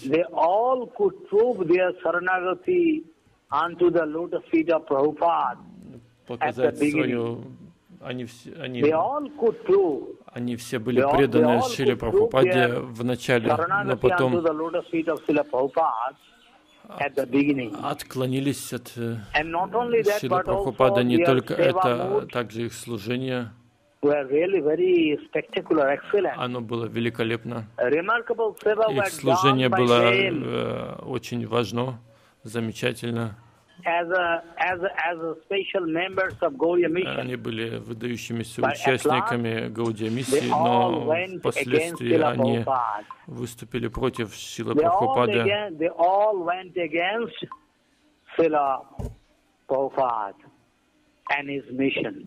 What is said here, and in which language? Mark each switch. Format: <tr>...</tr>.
<en>They all could prove their sarnagati unto the lotus feet of Prabhupada.</en> <ru>Показать свою. Они</ru> <en>they all could prove.</en> <ru>Они все были преданы Шриле Прабхупаде в начале, но потом отклонились от Шриле Прабхупады. Не только это, также их служение.</ru> <en>Were really very spectacular, excellent.</en> <ru>Оно было великолепно.</ru> <en>Remarkable seva</en> <ru>их служение было очень важно, замечательно.</ru> <en>As a special members of Gaudiya Mission.</en> <ru>Они были выдающимися участниками Gaudiya Mission, но впоследствии они выступили против Шрилы Прабхупады.</ru> <en>They all went against Srila Prabhupada and his mission.</en>